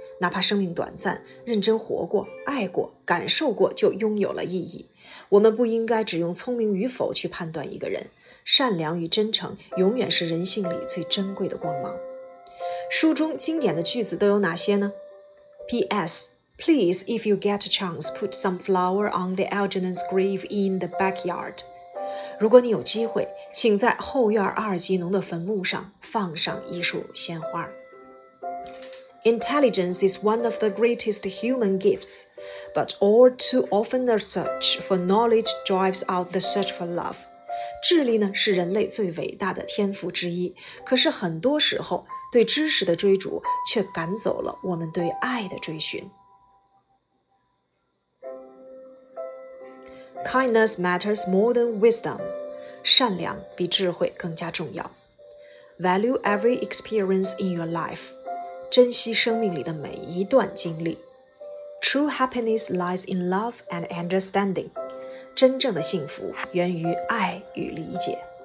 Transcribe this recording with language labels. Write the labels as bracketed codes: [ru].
[zh] 哪怕生命短暂，认真活过、爱过、感受过，就拥有了意义。我们不应该只用聪明与否去判断一个人，善良与真诚永远是人性里最珍贵的光芒。书中经典的句子都有哪些呢？ [en] P.S. Please, if you get a chance, put some flower on the Algernon's grave in the backyard. [zh] 如果你有机会，请在后院阿尔基农的坟墓上放上一束鲜花。 [en] Intelligence is one of the greatest human gifts, but all too often the search for knowledge drives out the search for love. [zh] 智力呢是人类最伟大的天赋之一，可是很多时候对知识的追逐却赶走了我们对爱的追寻。 [en] Kindness matters more than wisdom. [zh] 善良比智慧更加重要。 [en] Value every experience in your life. [zh] 珍惜生命里的每一段经历。 [en] True happiness lies in love and understanding. [zh] 真正的幸福源于爱与理解。